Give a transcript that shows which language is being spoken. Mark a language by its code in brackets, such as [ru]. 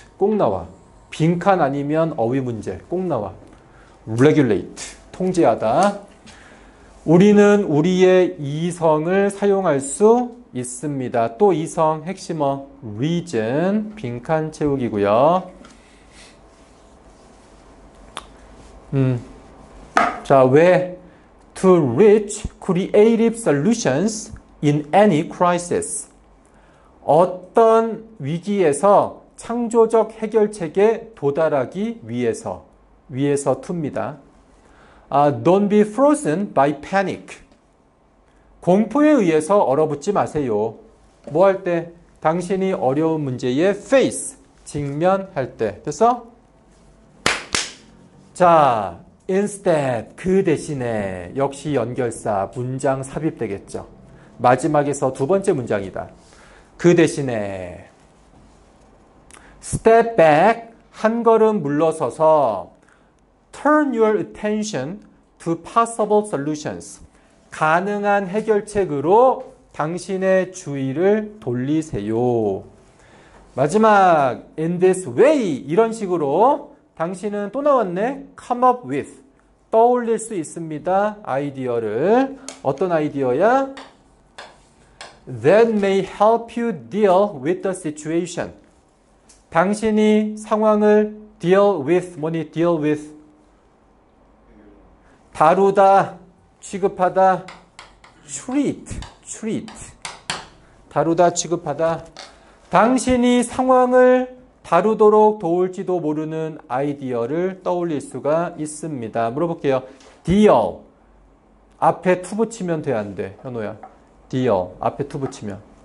[ko] 꼭 나와. 빈칸 아니면 어휘 문제. 꼭 나와. Regulate. 통제하다. 우리는 우리의 이성을 사용할 수 있습니다. 또 이성 핵심어 reason 빈칸 채우기고요. 자, 왜 [en] to reach creative solutions in any crisis. [ko] 어떤 위기에서 창조적 해결책에 도달하기 위해서. 위에서 to입니다. [en] Don't be frozen by panic. [ko] 공포에 의해서 얼어붙지 마세요. 뭐 할 때? 당신이 어려운 문제에 face, 직면할 때. 됐어? 자, instead, 그 대신에 역시 연결사, 문장 삽입되겠죠. 마지막에서 두 번째 문장이다. 그 대신에 [en] step back, [ko] 한 걸음 물러서서 [en] turn your attention to possible solutions. [ko] 가능한 해결책으로 당신의 주의를 돌리세요. 마지막, [en] in this way, [ko] 이런 식으로 당신은 또 나왔네. [en] come up with, [ko] 떠올릴 수 있습니다. 아이디어를. 어떤 아이디어야? [en] That may help you deal with the situation. [ko] 당신이 상황을 deal with, 뭐니 deal with? 다루다. 취급하다, treat, treat. 다루다, 취급하다. 당신이 상황을 다루도록 도울지도 모르는 아이디어를 떠올릴 수가 있습니다. 물어볼게요. deal. 앞에 to 붙이면 돼, 안 돼, 현호야? deal. 앞에 to 붙이면.